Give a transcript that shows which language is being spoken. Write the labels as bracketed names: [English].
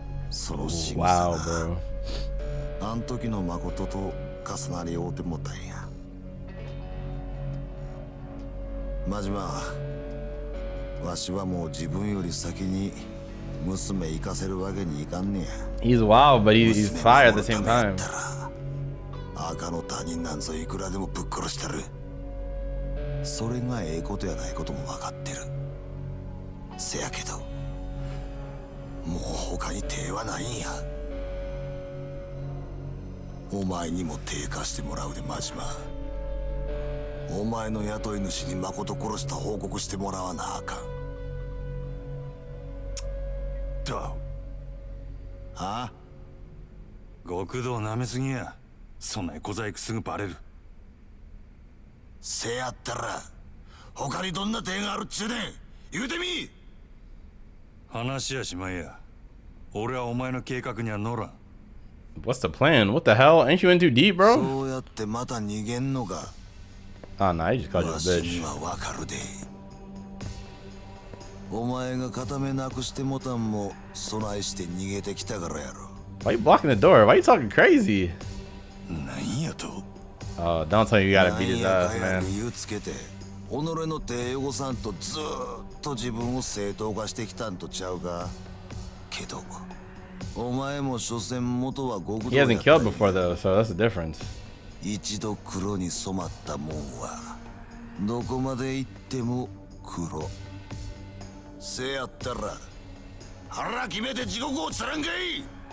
[Japanese] その仕草だ。あん時の誠と重なり合うてもたんや。マジマ、わしはもう自分より先に娘行かせるわけにいかんねや。 [English] He's wild, but he's fire at the same time. [Japanese] 赤の他人なんぞいくらでもぶっ殺したる。それがええことやないこともわかってる。せやけど、もう他に手はないんや。お前にも手貸してもらうで、マジマ。お前の雇い主に誠殺した報告してもらわなあかん。だ。はあ？極道舐めすぎや。そんな小細工すぐバレる。せやったら、他にどんな手があるっちゅうねん。言うてみ。話はしまいや。俺はお前の計画には乗らん。 [English] What's the plan? What the hell? Ain't you in too deep, bro? [Japanese] そうやってまた逃げんのか。 [English] Ah, nah, he just called you a bitch. [Japanese] わしにはわかるで。お前が片目なくしてもたんも備えして逃げてきたからやろ。 [English] Why are you blocking the door? Why are you talking crazy? Oh, don't tell me you gotta beat his ass, man. He hasn't killed before though, so that's the difference.